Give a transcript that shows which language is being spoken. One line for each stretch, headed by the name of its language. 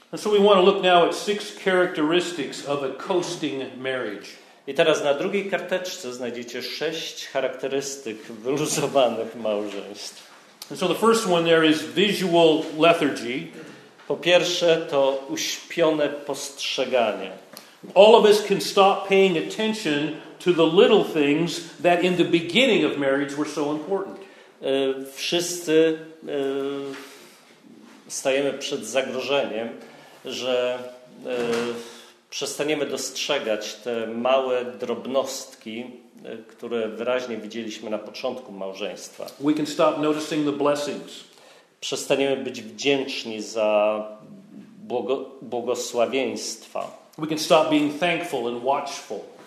English: And so we want to look now at six characteristics of a coasting marriage.
Polish: I teraz na drugiej karteczce znajdziecie sześć charakterystyk wyluzowanych małżeństw.
English: So the first one there is visual lethargy.
Polish: Po pierwsze to uśpione postrzeganie.
English: All of us can stop paying attention to the little things that in the beginning of marriage were so important.
Polish: Wszyscy stajemy przed zagrożeniem, że przestaniemy dostrzegać te małe drobnostki, które wyraźnie widzieliśmy na początku małżeństwa.
English: We can stop noticing the blessings.
Polish: Przestaniemy być wdzięczni za błogosławieństwa.
English: We can stop being thankful and watchful.